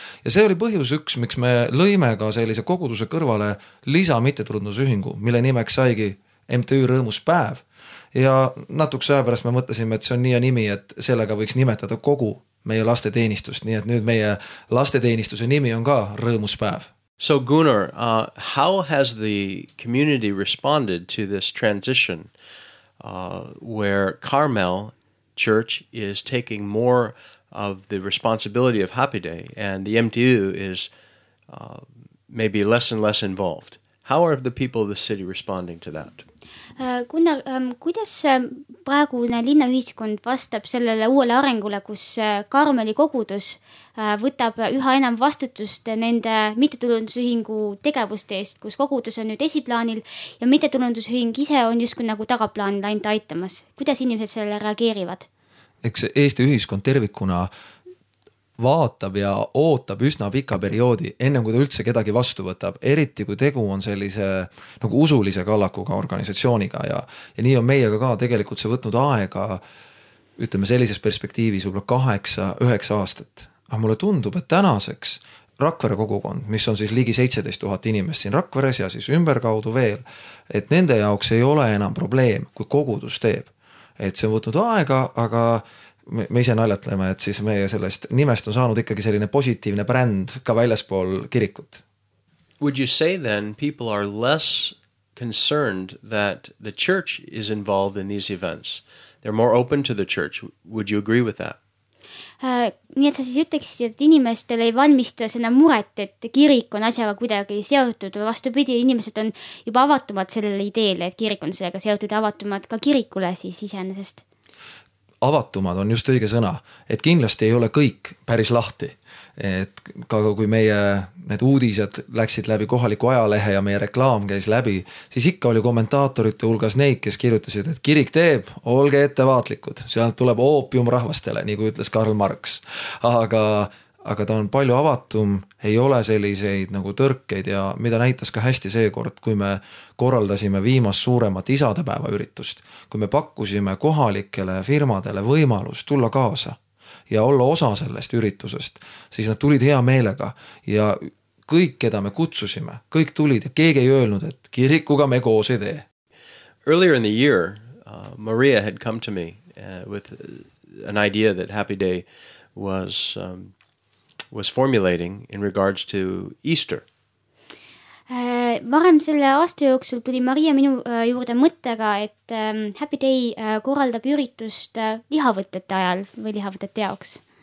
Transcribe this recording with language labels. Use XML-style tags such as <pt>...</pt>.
<et>Ja see oli põhjus üks, miks me lõime ka sellise koguduse kõrvale lisa mittetulundusühingu, mille nimeks saigi MTÜ Rõõmuspäev. Ja natuks ajapärast me mõtlesime, et see on nii ja nimi, et sellega võiks nimetada kogu meie lasteteenistust. Nii et nüüd meie lasteteenistuse nimi on ka Rõõmuspäev.</et> <en>So Gunnar, how has the community responded to this transition where Carmel Church is taking more of the responsibility of Happy Day and the MTU is maybe less and less involved? How are the people of the city responding to that?</en> <et>Kuidas praegune linnaühiskond vastab sellele uuele arengule, kus Karmeli kogudus võtab üha enam vastutust nende mittetulundusühingu tegevuste eest, kus kogudus on nüüd esiplaanil ja mittetulundusühing ise on justkui nagu tagaplaanil ainult aitamas. Kuidas inimesed sellele reageerivad? Eks Eesti ühiskond tervikuna vaatab ja ootab üsna pika perioodi enne kui ta üldse kedagi vastu võtab, eriti kui tegu on sellise nagu usulise kallakuga organisatsiooniga ja nii on meiega ka tegelikult see võtnud aega, ütleme sellises perspektiivis võibolla 8-9 aastat. Aga mulle tundub, et tänaseks Rakvere kogukond, mis on siis ligi 17 000 inimest siin Rakveres ja siis ümberkaudu veel, et nende jaoks ei ole enam probleem, kui kogudus teeb. Et see on võtnud aega, aga me ise naljatleme, et siis meie sellest nimest on saanud ikkagi selline positiivne brand ka väljaspool kirikut.</et> <en>Would you say then people are less concerned that the church is involved in these events? They're more open to the church. Would you agree with that?</en> <et>Nii et sa siis ütleksid, et inimestel ei valmista seda muret, et kirik on asjaga kuidagi seotud või vastupidi, inimesed on juba avatumad sellele ideele, et kirik on sellega seotud ja avatumad ka kirikule siis isenesest. Avatumad on just õige sõna, et kindlasti ei ole kõik päris lahti, et ka kui meie need uudised läksid läbi kohaliku ajalehe ja meie reklaam käis läbi, siis ikka oli kommentaatorite hulgas neid, kes kirjutasid, et kirik teeb, olge ettevaatlikud, seal tuleb oopium rahvastele, nii kui ütles Karl Marx, aga ta on palju avatum, ei ole selliseid nagu tõrkeid ja mida näitas ka hästi seekord, kui me korraldasime viimas suuremat isadepäeva üritust, kui me pakkusime kohalikele firmadele võimalus tulla kaasa ja olla osa sellest üritusest, siis nad tulid hea meelega ja kõik, keda me kutsusime, kõik tulid ja keegi ei öelnud, et kirikuga me koos ei tee.</et> <en>Earlier in the year, Maria had come to me with an idea that Happy Day was formulating in regards to Easter.</en> <et>Varem selle aasta jooksul tuli Maria minu juurde mõttega, et Happy Day korraldab üritust lihavõtete ajal või lihavõtete jaoks.</et>